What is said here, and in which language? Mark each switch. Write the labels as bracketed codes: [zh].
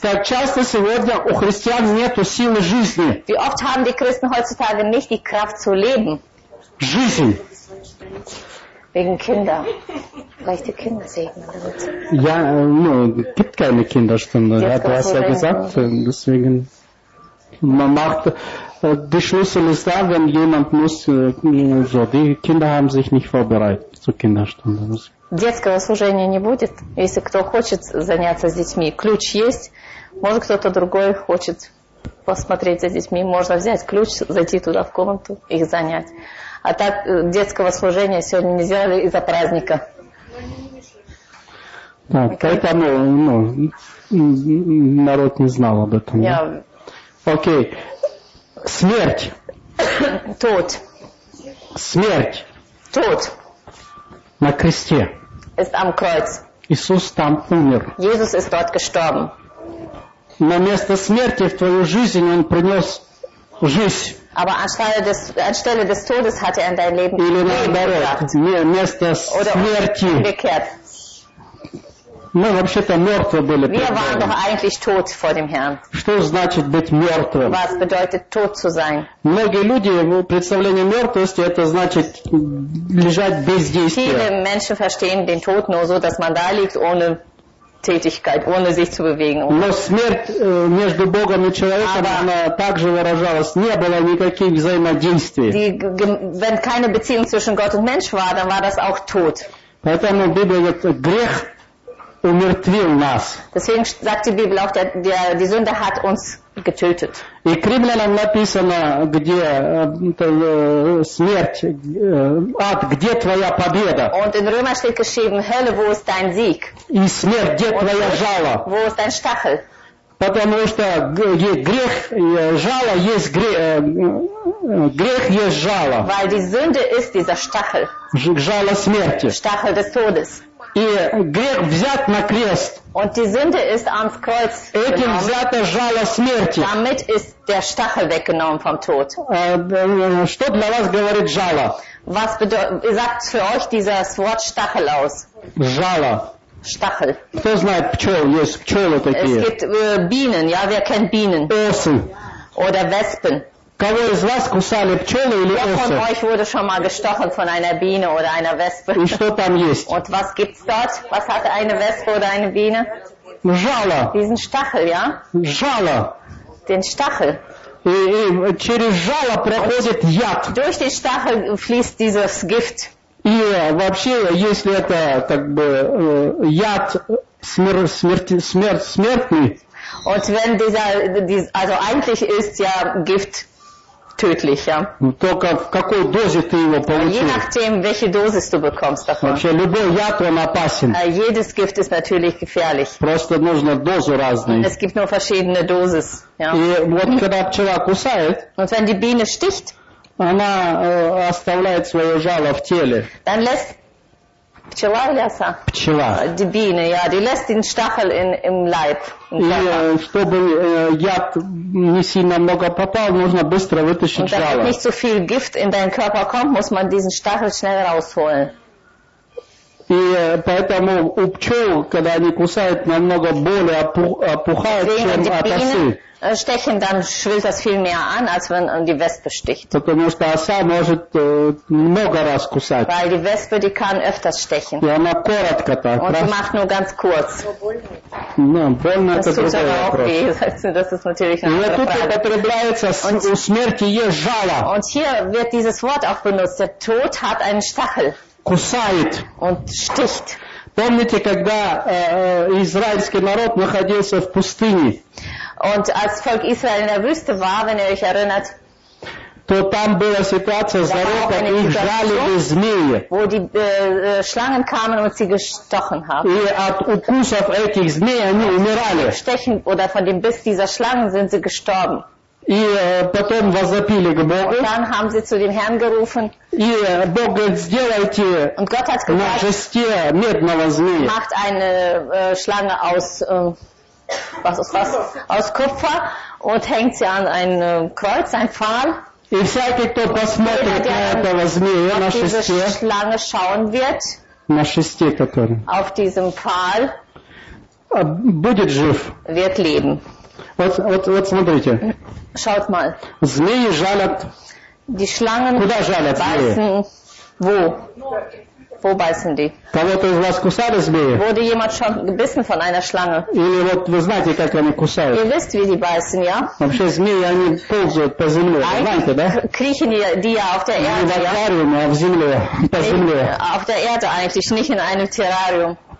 [ru] Так часто сегодня у христиан нету силы жизни. [de] Wie oft haben die Christen heutzutage nicht die Kraft zu leben? [ru] Жизнь. [de] Wegen Kinder. Vielleicht die Kinder segnen. Ja, ну, gibt keine Kinderstunde. Ja, du hast ja gesagt, deswegen man macht. Die Schlüssel ist da, wenn jemand muss, so, die Kinder haben sich nicht vorbereitet zur Kinderstunde. [ru] Детского служения не будет, если кто хочет заняться с детьми. Ключ есть, может кто-то другой хочет посмотреть за детьми, можно взять ключ, зайти туда в комнату, их занять. А так детского служения сегодня не сделали из-за праздника. Да, поэтому ну, народ не знал об этом. Я... Окей. Смерть. [de] Tod. [ru] Смерть. [de] Tod. [ru] На кресте. [de] Ist am Kreuz. [ru] Иисус там умер. [de] Jesus ist dort gestorben. [ru] Но вместо смерти в твою жизнь он принес жизнь. [de] Aber anstelle des Todes hat er in dein Leben Leben gebracht. Oder [ru] смерти. [de] Umgekehrt. [ru] Мы вообще-то мертвы были. [de] Wir waren doch eigentlich tot vor dem Herrn. [ru] Что значит быть мертвым? [de] Was bedeutet tot zu sein? [ru] Многие люди в представлении мертвости это значит лежать без действия. [de] Viele Menschen verstehen den Tod nur so, dass man da liegt ohne Tätigkeit, ohne sich zu bewegen. [ru] Но смерть между Богом и человеком [de] aber [ru] она также выражалась, не было никаких взаимодействий. [de] Wenn keine Beziehung zwischen Gott und Mensch war, dann war das auch tot. [ru] Поэтому Библия говорит, грех умертвил нас. [de] Deswegen sagt die Bibel auch, die Sünde hat uns getötet. [ru] И к римлянам написано, где смерть, ад, где твоя победа? [de] Und in Römer steht geschrieben, Hölle, wo ist dein Sieg? [ru] И смерть, где твоя жало? [de] Wo ist dein Stachel? [ru] Потому что грех жало есть грех есть жало. [de] Weil die Sünde ist dieser Stachel. [ru] Жало смерти. [de] Stachel des Todes. [ru] И грех взят на крест. [de] Und die Sünde ist ans Kreuz [ru] этим взято жало смерти. [de] Damit ist der Stachel weggenommen vom Tod. [ru] Что для вас говорит жало? [de] Was sagt für euch dieses Wort Stachel aus? [ru] Жало. [de] Stachel. [ru] Кто знает пчел? Есть пчелы такие. [de] Es gibt Bienen, ja, wer kennt Bienen? [ru] Осы. [de] Oder Wespen. [ru] Кого из вас кусали пчелы или осы? [de] Wer von euch wurde schon mal gestochen von einer Biene oder einer Wespe? [ru] И что там есть? [de] Und was gibt's dort? Was hat eine Wespe oder eine Biene? [ru] Жало. [de] Diesen Stachel, ja? [ru] Жало. [de] Den Stachel. [ru] И через жало проходит яд. [de] Durch den Stachel fließt dieses Gift. [ru] И вообще, если это как бы яд smertni. [de] Und wenn dieser, also eigentlich ist ja Gift tödlich, ja. [ru] Только в какой дозе ты его получил. [de] Je nachdem, welche Dosis du bekommst davon. [ru] Вообще любой яд он опасен. [de] Jedes Gift ist natürlich gefährlich. [ru] Просто нужно дозу разные. [de] Es gibt nur verschiedene Dosis, ja. [ru] И вот когда пчела кусает. [de] Und wenn die Biene sticht. [ru] Она оставляет свое жало в теле. [de] Dann lässt [ru] пчела или оса? Пчела. [de] Die Biene, ja, die lässt den Stachel im Leib. [ru] И чтобы яд не сильно много попал, нужно быстро вытащить жало. [de] Damit nicht so viel Gift in deinen Körper kommt, muss man diesen Stachel schnell rausholen. [ru] И поэтому у пчел, когда они кусают, намного более опухает, чем от осы. [de] Stechen, dann schwillt das viel mehr an, als wenn die Wespe sticht. [ru] Потому что оса может много раз кусать. [de] Weil die Wespe, die kann öfters stechen. [ru] И она коротко так. [de] Und sie macht nur ganz kurz. [ru] Но больно. [de] Das tut aber auch weh. Das ist natürlich eine andere Frage. [ru] И тут употребляется у смерти есть жало. [de] Und hier wird dieses Wort auch benutzt. Der Tod hat einen Stachel. [ru] Кусает. [de] Und sticht. [ru] Помните, когда израильский народ находился в пустыне? [de] Und als Volk Israel in der Wüste war, wenn ihr euch erinnert, [ru] то там была ситуация зарота, их жалили змеи. [de] Wo die Schlangen kamen und sie gestochen haben. [ru] И от укусов этих змей они умирали. [de] Stechen oder von dem Biss dieser Schlangen sind sie gestorben. [ru] И потом возопили к Богу. [de] Und dann haben sie zu dem Herrn gerufen. [ru] И Бог говорит, сделайте [de] und Gott hat gesagt, [ru] на жесте медного змея. [de] Macht eine Schlange aus was ist das? Aus Kupfer und hängt sie an ein Kreuz, ein Pfahl. Ich sage, [ru] кто посмотрит на этого змея на шесте. [de] Auf diese Schlange schauen wird. [ru] На шесте, который. [de] Auf diesem Pfahl. [ru] Будет жив. [de] Wird leben. [ru] Вот смотрите. [de] Schaut mal. [ru] Змеи жалят. [de] Die Schlangen. [ru] Куда жалят змеи? [de] Wo? Wo beißen die? [ru] Кого-то из вас кусали змеи? [de] Wurde jemand schon gebissen von einer Schlange? [ru] Или вот вы знаете, как они кусают? [de] Ihr wisst, wie die beißen, ja? [ru] Вообще змеи, они ползают по земле, знаете, да? [de] Kriechen die ja auf der Erde, ja? [ru] Не в аквариуме, а в земле, по земле. [de] Auf der Erde eigentlich, nicht in einem Terrarium.